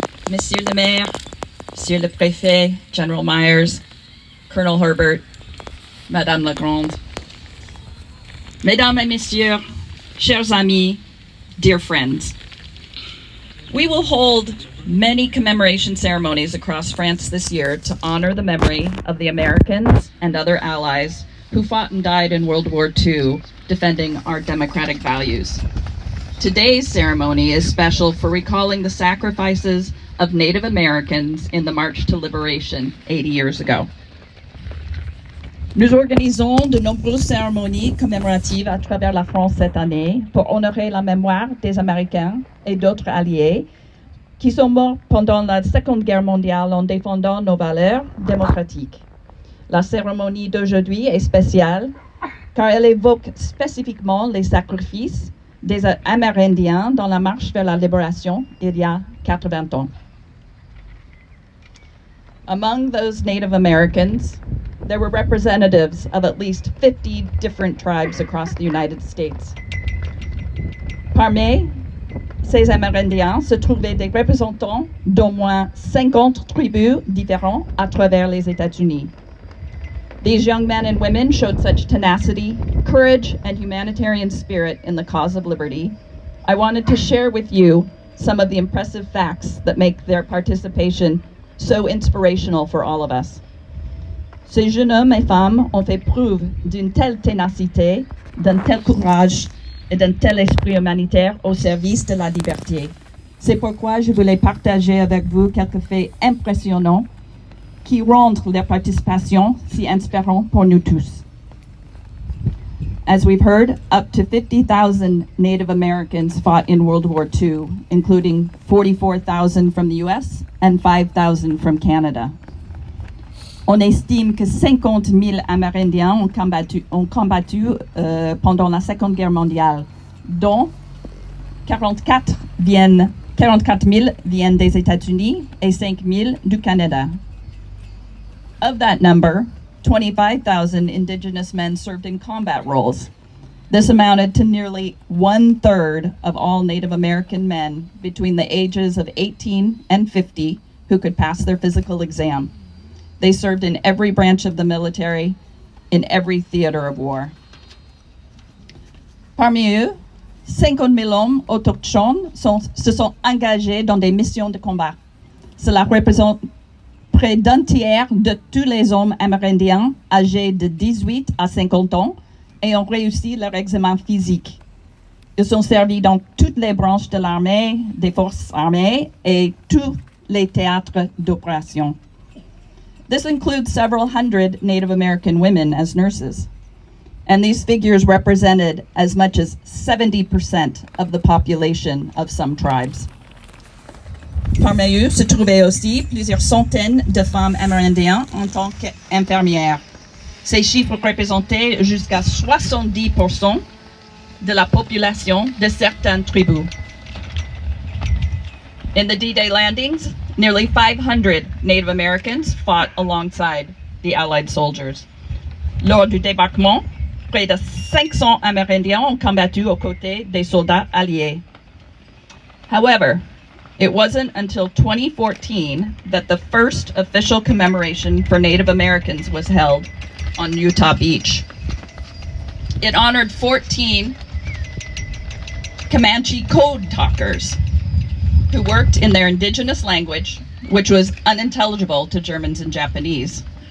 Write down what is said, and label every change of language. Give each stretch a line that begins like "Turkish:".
French: Monsieur le Maire, Monsieur le Préfet, General Myers, Colonel Herbert, Madame la Grande, Mesdames et Messieurs, chers amis,
English: dear friends, we will hold many commemoration ceremonies across France this year to honor the memory of the Americans and other allies who fought and died in World War II defending our democratic values. Today's ceremony is special for recalling the sacrifices of Native Americans in the March to Liberation 80 years ago.
French: Nous organisons de nombreuses cérémonies commémoratives à travers la France cette année pour honorer la mémoire des Américains et d'autres alliés qui sont morts pendant la Seconde Guerre mondiale en défendant nos valeurs démocratiques. La cérémonie d'aujourd'hui est spéciale car elle évoque spécifiquement les sacrifices des Amérindiens dans la marche vers la libération il y a 80 ans.
English: Among those Native Americans, there were representatives of at least 50 different tribes across the United States.
French: Parmi ces Amérindiens se trouvaient des représentants d'au moins 50 tribus différentes à travers les États-Unis.
English: These young men and women showed such tenacity, courage, and humanitarian spirit in the cause of liberty. I wanted to share with you some of the impressive facts that make their participation so inspirational for all of us.
French: Ces jeunes hommes et femmes ont fait preuve d'une telle ténacité, d'un tel courage et d'un tel esprit humanitaire au service de la liberté. C'est pourquoi je voulais partager avec vous quelques faits impressionnants qui rendent leur participation si inspirante pour nous tous.
English: As we've heard, up to 50,000 Native Americans fought in World War II, including 44,000 from the US and 5,000 from Canada.
French: On estime que 50 000 Amérindiens ont combattu pendant la Seconde Guerre mondiale, dont 44 000 viennent des États-Unis et 5 000 du Canada.
English: Of that number, 25,000 indigenous men served in combat roles. This amounted to nearly one third of all Native American men between the ages of 18 and 50 who could pass their physical exam. They served in every branch of the military, in every theater of war.
French: Parmi eux, 50 000 hommes autochtones se sont engagés dans des missions de combat. Cela représente près d'un tiers de tous les hommes amérindiens âgés de 18 à 50 ans et ont réussi leur examen physique. Ils ont servi dans toutes les branches de l'armée, des forces armées et tous les théâtres d'opération.
English: This includes several hundred Native American women as nurses. And these figures represented as much as 70% of the population of some tribes.
French: Parmi eux se trouvaient aussi plusieurs centaines de femmes amérindiennes en tant qu'infirmières. Ces chiffres représentaient jusqu'à 70% de la population de certaines tribus.
English: In the D-Day landings, nearly 500 Native Americans fought alongside the Allied soldiers.
French: Lors du débarquement, près de 500 Amérindiens ont combattu aux côtés des soldats alliés.
English: However, it wasn't until 2014 that the first official commemoration for Native Americans was held on Utah Beach. It honored 14 Comanche code talkers who worked in their indigenous language, which was unintelligible to Germans and Japanese.